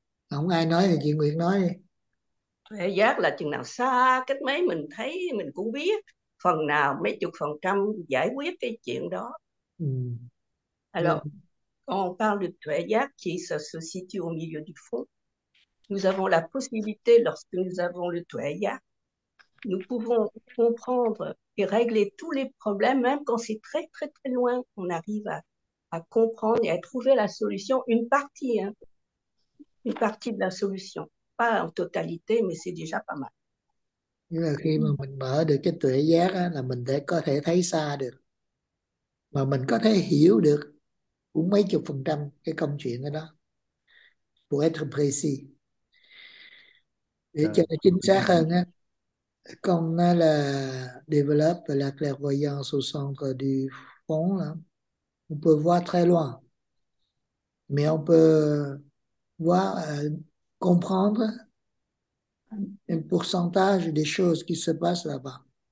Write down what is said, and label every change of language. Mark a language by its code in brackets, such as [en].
[vi] Không ai nói thì chị Nguyệt nói đi. Huệ giác là chừng nào xa cách mấy mình thấy mình cũng biết phần nào mấy chục phần trăm giải quyết cái chuyện đó. Nhưng [fr] Alors, quand on parle de huệ giác qui se situe au milieu du front, nous avons la possibilité, lorsque nous avons le huệ giác, nous pouvons comprendre et régler tous les problèmes, même quand c'est très très très loin, on arrive à comprendre et à trouver la solution, une partie, hein, une partie de la solution. Pas en totalité, mais c'est déjà pas [vi] là khi [fr] mal. [vi] mà mình mở được cái tuệ giác á, là mình để có thể thấy xa được, mà mình có thể hiểu được cũng mấy chục phần trăm cái công chuyện ở đó, [fr] pour être [vi] để cho nó chính xác hơn á. Còn nó là develop và là [fr] clairvoyance au centre du fond là on peut voir très loin, mais on peut voir comprendre un pourcentage des choses qui se passent là-bas.